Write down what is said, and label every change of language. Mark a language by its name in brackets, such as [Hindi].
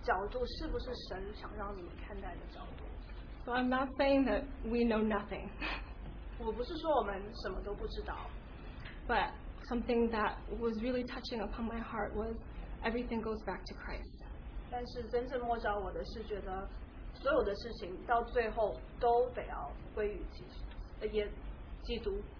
[Chinese] 但是我们看待我们生命中家庭、父母、儿女，我们看待他们的角度是不是神想让你们看待的角度？ [English] So I'm not saying that we know nothing. [Chinese] 我不是说我们什么都不知道。 [English] But something that was really touching upon my heart was everything goes back to Christ. [Chinese] 但是真正摸着我的是觉得所有的事情到最后都得要归于基督。